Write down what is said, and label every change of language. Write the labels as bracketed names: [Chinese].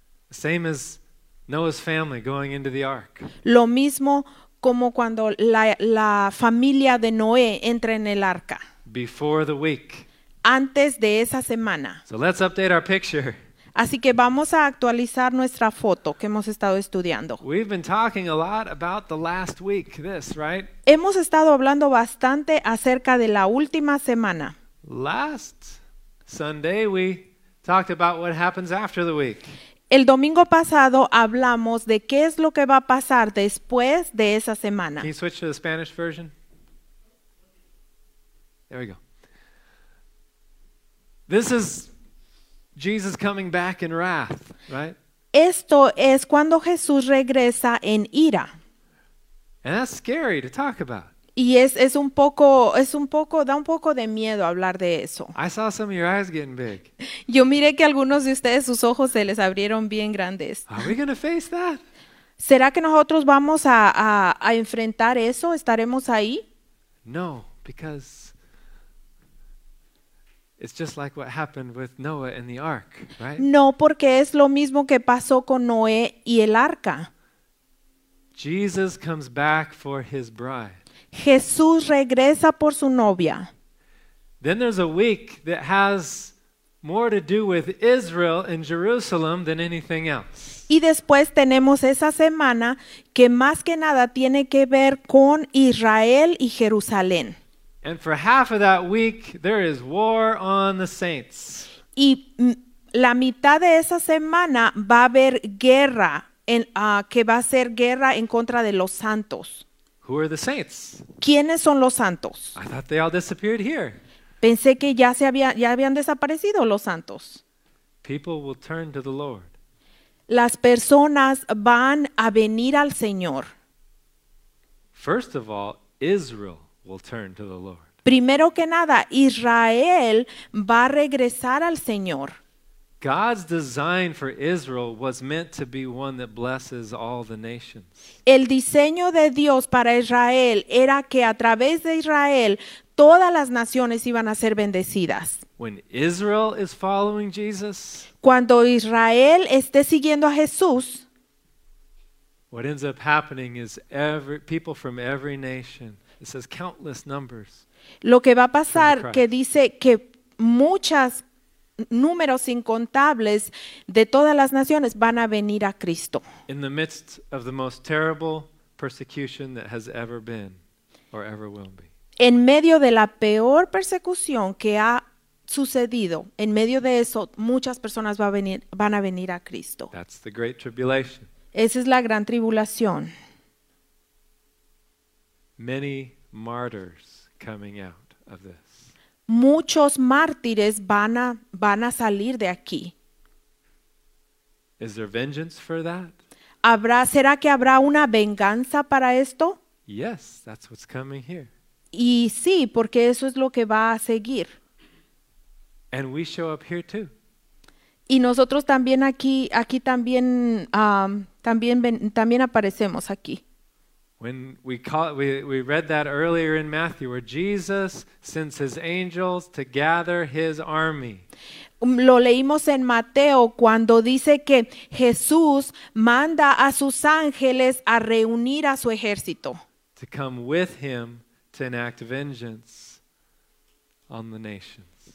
[English] Same as Noah's family going into the ark. [Spanish] Lo mismo como cuando la familia de Noé entra en el arca. [English] Before the week. [Spanish] Antes de esa semana. [English] So let's update our picture. [Spanish] Así que vamos a actualizar nuestra foto que hemos estado estudiando. [English] We've been talking a lot about the last week, this, right? [Spanish] Hemos estado hablando bastante acerca de la última semana. [English] Last Sunday we talked about what happens after the week. [Spanish] El domingo pasado hablamos de qué es lo que va a pasar después de esa semana. [English] Can you switch to the Spanish version? There we go. This is Jesus coming back in wrath, right? [Spanish] Esto es cuando Jesús regresa en ira. [English] And that's scary to talk about. [Spanish] Y es un poco, da un poco de miedo hablar de eso. [English] I saw some of your eyes getting big. [Spanish] Yo miré que algunos de ustedes sus ojos se les abrieron bien grandes. [English] Are we going to face that? [Spanish] ¿Será que nosotros vamos a enfrentar eso? ¿Estaremos ahí? [English] No, because it's just like what happened with Noah and the ark, right? [Spanish] No, porque es lo mismo que pasó con Noé y el arca. [English] Jesus comes back for his bride. [Spanish] Jesús regresa por su novia. [English] Then there's a week that has more to do with Israel and Jerusalem than anything else. [Spanish] Y después tenemos esa semana que más que nada tiene que ver con Israel y Jerusalén. [English] And for half of that week, there is war on the saints. [Spanish] Y la mitad de esa semana va a haber guerra, que va a ser guerra en contra de los santos. [English] Who are the saints? [Spanish] ¿Quiénes son los santos? [English] I thought they all disappeared here. [Spanish] Pensé que ya habían desaparecido los santos. [English] People will turn to the Lord. [Spanish] Las personas van a venir al Señor. [English] First of all, Israel. Will turn to the Lord. [Spanish] Primero que nada, Israel va a regresar al Señor. [English] God's design for Israel was meant to be one that blesses all the nations. [Spanish] El diseño de Dios para Israel era que a través de Israel todas las naciones iban a ser bendecidas. [English] When Israel is following Jesus, [Spanish] cuando Israel esté siguiendo a Jesús, [English] what ends up happening is people from every nation. It says countless numbers. [Spanish] Lo que va a pasar que dice que muchas, números incontables de todas las naciones van a venir a Cristo. [English] In the midst of the most terrible persecution that has ever been or ever will be. [Spanish] En medio de la peor persecución que ha sucedido, en medio de eso, muchas personas van a venir a Cristo. [English] That's the great tribulation. [Spanish] Esa es la gran tribulación. [English] Many martyrs coming out of this. [Spanish] Muchos mártires van a salir de aquí. [English] Is there vengeance for that? [Spanish] ¿Será que habrá una venganza para esto? [English] Yes, that's what's coming here. [Spanish] Y sí, porque eso es lo que va a seguir. [English] And we show up here too. [Spanish] Y nosotros también aquí también también aparecemos aquí. [English] When we read that earlier in Matthew, where Jesus sends his angels to gather his army. [Spanish] Lo leímos en Mateo cuando dice que Jesús manda a sus ángeles a reunir a su ejército. [English] To come with him to enact vengeance on the nations.